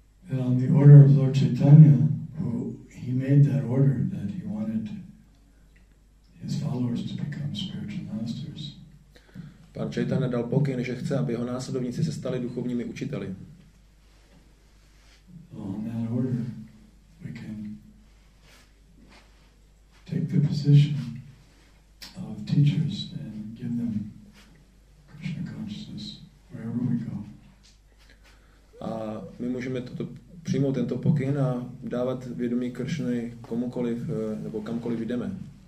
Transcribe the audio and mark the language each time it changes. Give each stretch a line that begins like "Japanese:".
English: And on the order of Lord Chaitanya, who he made that order that he wanted his followers to become spiritual masters.
Czech: Pan Chaitanya dal pokyn, že chce, aby jeho následovníci se stali duchovními učiteli.
English: On that order, we can take the position of teachers and give them Krishna consciousness wherever we go.
Czech: A my můžeme toto přijmout tento pokyn a dávat vědomí Kršny komukoliv nebo kamkoliv jdeme.